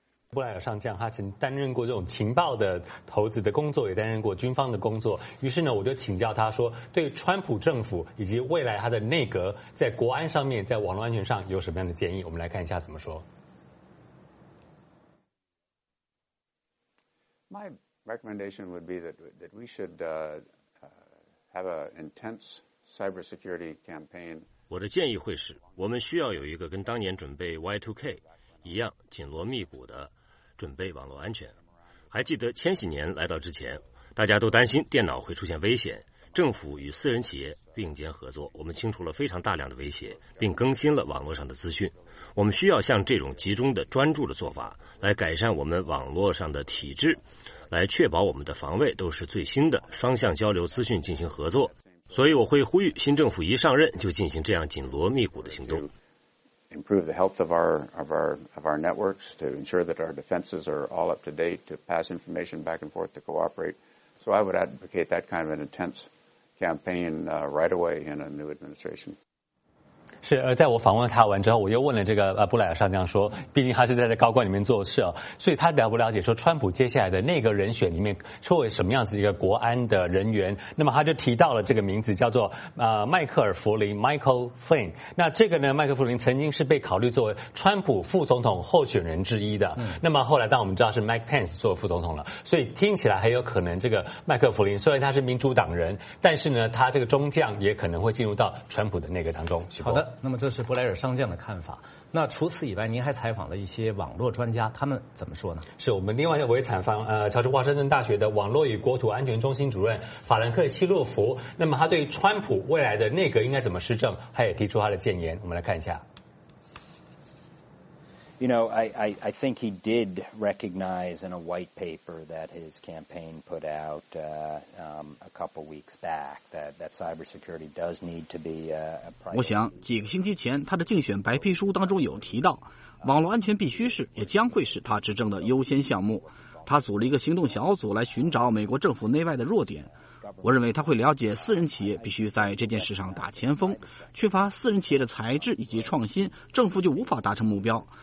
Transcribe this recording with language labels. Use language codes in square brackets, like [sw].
[zh] 布莱尔上将他曾担任过这种情报的投资的工作，也担任过军方的工作，于是呢我就请教他说，对川普政府以及未来他的内阁在国安上面，在网络安全上有什么样的建议，我们来看一下怎么说。 [en] My recommendation would be that we should have an intense cybersecurity campaign。 [zh] 我的建议会是，我们需要有一个跟当年准备 Y2K一样紧锣密鼓的准备网络安全。还记得千禧年来到之前，大家都担心电脑会出现危险，政府与私人企业并肩合作，我们清除了非常大量的威胁，并更新了网络上的资讯。我们需要像这种集中的专注的做法来改善我们网络上的体制，来确保我们的防卫都是最新的，双向交流资讯进行合作。所以我会呼吁新政府一上任就进行这样紧锣密鼓的行动。 [en] Improve the health of our networks to ensure that our defenses are all up to date, to pass information back and forth, to cooperate. So I would advocate that kind of an intense campaign right away in a new administration. [zh] 是在我访问他完之后，我又问了这个布莱尔上将说，毕竟他是在这高官里面做事啊，所以他了不了解说川普接下来的那个人选里面会有什么样子一个国安的人员？那么他就提到了这个名字叫做迈克尔弗林 Michael Flynn。那这个呢，迈克弗林曾经是被考虑作为川普副总统候选人之一的。那么后来当我们知道是 Mike Pence 做副总统了，所以听起来很有可能这个迈克弗林虽然他是民主党人，但是呢他这个中将也可能会进入到川普的那个当中。好的。那么这是布莱尔上将的看法。那除此以外，您还采访了一些网络专家，他们怎么说呢？是我们另外一位采访乔治华盛顿大学的网络与国土安全中心主任法兰克希洛夫。那么他对川普未来的内阁应该怎么施政，他也提出他的建言，我们来看一下。 [en] You know, I think he did recognize in a white paper that his campaign put out a couple weeks back that cybersecurity does need to be a priority. [zh] 我想几个星期前他的竞选白皮书当中有提到，网络安全必须是也将会是他执政的优先项目。他组了一个行动小组来寻找美国政府内外的弱点。我认为他会了解私人企业必须在这件事上打前锋，缺乏私人企业的才智以及创新，政府就无法达成目标。